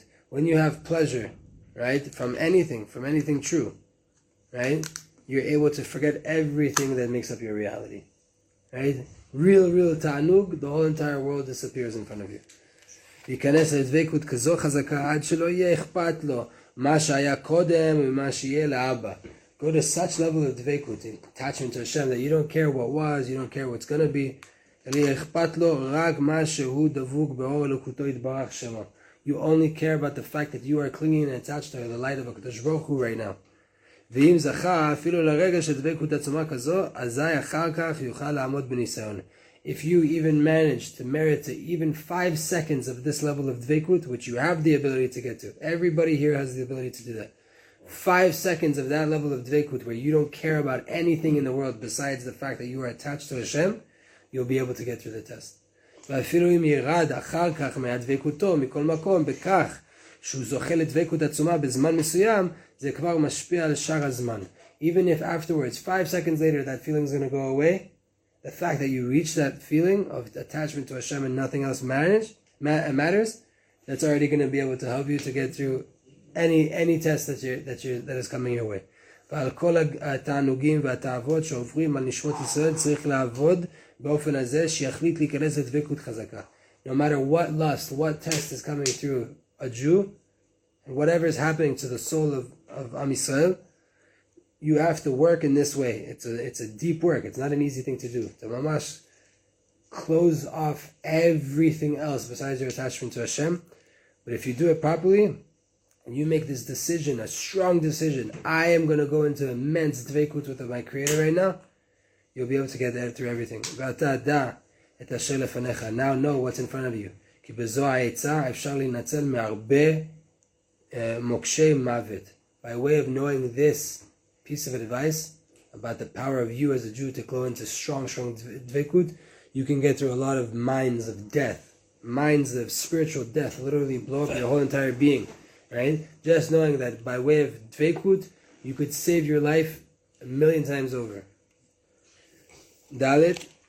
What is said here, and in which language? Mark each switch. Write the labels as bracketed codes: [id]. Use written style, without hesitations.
[en] When you have pleasure, right, from anything true, right, you're able to forget everything that makes up your reality. Right? Real, real ta'anug, the whole entire world disappears in front of you. [he] ייכנס לדבקות כזו חזקה עד שלא יהיה אכפת לו מה שהיה קודם ומה שיהיה לאבא. [en] Go to such level of דבקות, attachment to Hashem, that you don't care what was, you don't care what's going to be. [he] אלא יהיה אכפת לו רק מה שהוא דבוק באור אלוקותו יתברך שמו. [en] You only care about the fact that you are clinging and attached to the light of הקדוש ברוך הוא right now. [he] ואם זכה אפילו לרגע של דבקות עצומה כזו, אזי אחר כך יוכל לעמוד בניסיון. [en] If you even manage to merit to even 5 seconds of this level of dvekut, which you have the ability to get to, everybody here has the ability to do that. 5 seconds of that level of dvekut, where you don't care about anything in the world besides the fact that you are attached to Hashem, you'll be able to get through the test. [he] ואפילו אם ירד אחר כך מהדבקותו מכל מקום, בכך שהוא זוכה לדבקות עצומה בזמן מסוים, זה כבר משפיע על שאר הזמן. [en] Even if afterwards, 5 seconds later, that feeling is going to go away, the fact that you reach that feeling of attachment to Hashem and nothing else matters, that's already going to be able to help you to get through any test that is coming your way. [he] ועל כל התענוגים והתאוות שעוברים על נשמות ישראל צריך לעבוד באופן הזה שיחליט להיכנס לדבקות חזקה. [en] No matter what lust, what test is coming through a Jew, whatever is happening to the soul of Am Yisrael, you have to work in this way. It's a deep work. It's not an easy thing to do. To mamash, close off everything else besides your attachment to Hashem. But if you do it properly, and you make this decision, a strong decision, I am going to go into immense dveikut with my Creator right now, you'll be able to get there through everything. [he] את אשר לפניך. [en] Now know what's in front of you. [he] כי בזו העצה אפשר להינצל מהרבה מוקשי מוות. [en] By way of knowing this piece of advice about the power of you as a Jew to grow into strong, strong dvekut, you can get through a lot of mines of death. Mines of spiritual death literally blow up your whole entire being. Right? Just knowing that by way of dvekut, you could save your life a million times over. Dalit.